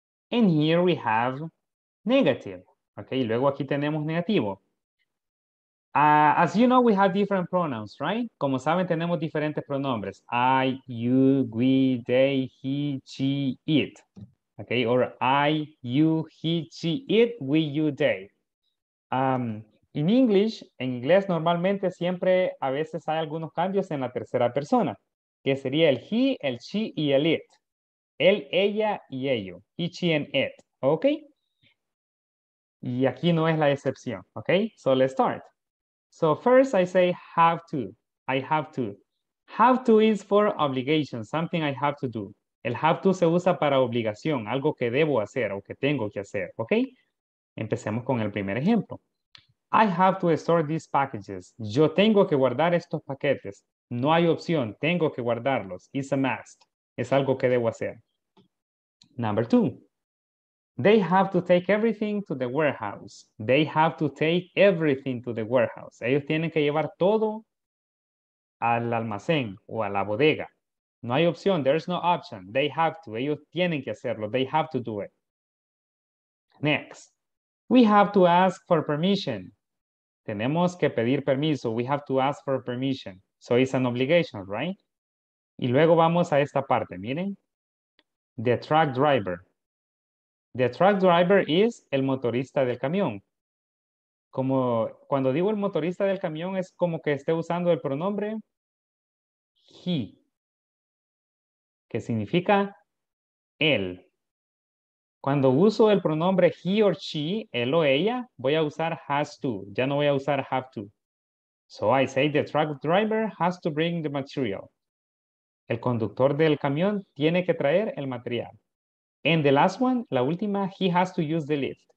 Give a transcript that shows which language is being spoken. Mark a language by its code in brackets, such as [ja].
[en] And here we have negative. Okay, [es] luego aquí tenemos negativo. [en] As you know, we have different pronouns, right? [es] Como saben, tenemos diferentes pronombres. [en] I, you, we, they, he, she, it. Okay, or I, you, he, she, it, we, you, they. [es] In English, en inglés normalmente siempre a veces hay algunos cambios en la tercera persona, que sería el he, el she y el it. Él, ella y ello. He, she and it, okay? Y aquí no es la excepción, [en] okay? So let's start. So first I say have to, I have to. Have to is for obligation, something I have to do. [es] El have to se usa para obligación, algo que debo hacer o que tengo que hacer, okay? Empecemos con el primer ejemplo. [en] I have to store these packages. [es] Yo tengo que guardar estos paquetes. No hay opción, tengo que guardarlos. [en] It's a must. [es] Es algo que debo hacer. Number two. [en] They have to take everything to the warehouse. They have to take everything to the warehouse. [es] Ellos tienen que llevar todo al almacén o a la bodega. No hay opción. [en] There's no option. They have to. [es] Ellos tienen que hacerlo. [en] They have to do it. Next. We have to ask for permission. [es] Tenemos que pedir permiso. [en] We have to ask for permission. So it's an obligation, right? [es] Y luego vamos a esta parte. Miren. [en] The truck driver. The truck driver is [es] el motorista del camión. Como cuando digo el motorista del camión, es como que esté usando el pronombre he, que significa él. Cuando uso el pronombre he or she, él o ella, voy a usar has to. Ya no voy a usar have to. [en] So I say the truck driver has to bring the material. [es] El conductor del camión tiene que traer el material. [en] And the last one, [es] la última, [en] he has to use the lift.